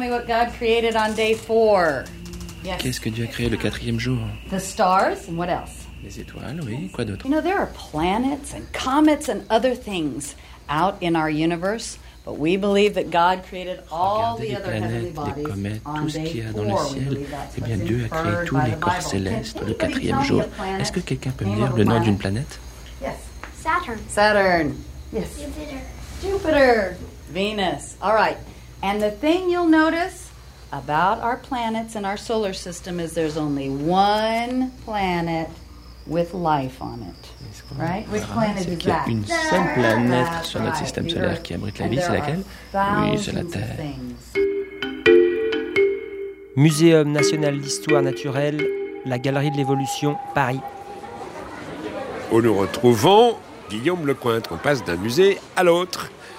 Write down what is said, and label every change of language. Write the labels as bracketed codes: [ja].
[fr] Qu'est-ce que Dieu a créé le quatrième jour? Les stars et quoi d'autre? Les étoiles, oui, quoi d'autre? [en] You know, there are planets and comets and other things out in our universe, but we believe that God created all the other planets, [fr] les comètes, tout ce qu'il y a dans le ciel. Eh bien, Dieu a créé tous les corps célestes le quatrième jour. Est-ce que quelqu'un peut me dire le nom d'une planète? [en] Yes. Saturn. Yes. Jupiter. Venus. All right. And the thing you'll notice about our planets and our solar system is there's only one planet with life on it. Right? Which planet is that? [fr] Il y a une seule planète sur notre système solaire qui abrite la vie, c'est laquelle? Oui, c'est la Terre. Muséum national d'histoire naturelle, la Galerie de l'Évolution, Paris. Où nous retrouvons Guillaume Lecointre. On passe d'un musée à l'autre.